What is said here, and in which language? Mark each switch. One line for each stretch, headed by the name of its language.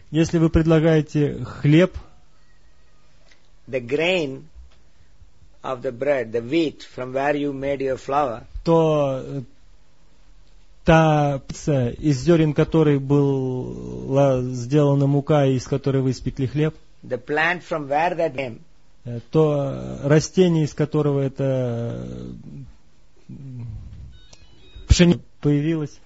Russian: Если вы предлагаете хлеб,
English: the grain of the bread, the wheat from where you made your flour,
Russian: то та пса, из зерен которой была сделана мука, из которой вы испекли хлеб,
English: the plant from where that came,
Russian: то растение, из которого это пшеница появилась,